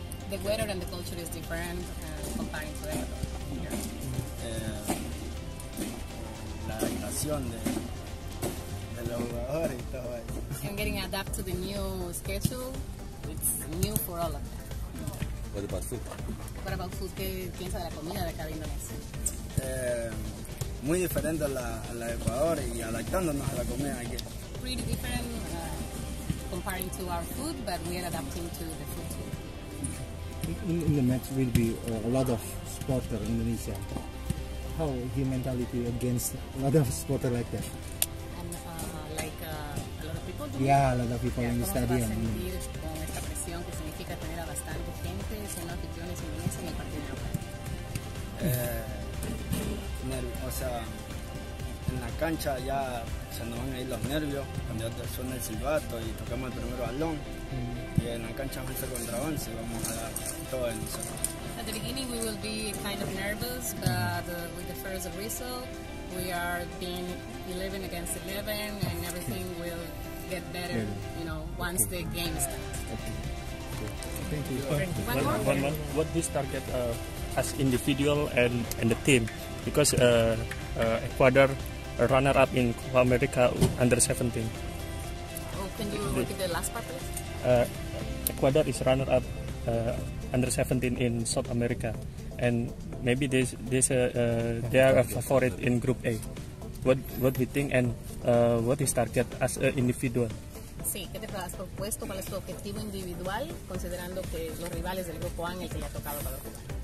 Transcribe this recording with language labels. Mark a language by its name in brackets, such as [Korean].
[English] The weather and the culture is different comparing to Ecuador. [Spanish] La adaptación de los jugadores y todo eso. [English] And getting adapted to the new schedule, it's new for all of them. What about food? What about food? [Spanish] ¿Qué piensa de la comida de acá de Indonesia? Muy diferente a la de Ecuador y adaptándonos a la comida aquí. [English] Pretty different comparing to our food, but we are adapting to the food too. In the match will be a lot of supporter in Indonesia. How is your mentality against a lot of supporter like that? A lot of people? Yeah, a lot of people in the stadium. [Spanish] ¿Cómo vas a sentir con esta presión que significa tener a bastante gente siendo aficiones indonesias en el partido? O sea, en la cancha ya se nos van a ir los nervios cuando ya suena el silbato y tocamos el primer balón. Y en la cancha 11 contra 11 vamos a dar todo el nosotros. [English] At the beginning we will be kind of nervous, but with the first whistle we are being 11 against 11 and everything will get better, you know, once the game starts. Okay. Thank you. One more. What this target as individual and the team? Because Ecuador runner-up in Copa America U-17. Oh, can you repeat the last part, please? Ecuador is runner-up U-17 in South America, and maybe they are a favorite in Group A. What do you think, and what is target as an individual? [Spanish] Sí, ¿qué te has propuesto? ¿Cuál es tu objetivo individual, considerando que los rivales del Grupo A en el que le ha tocado para jugar?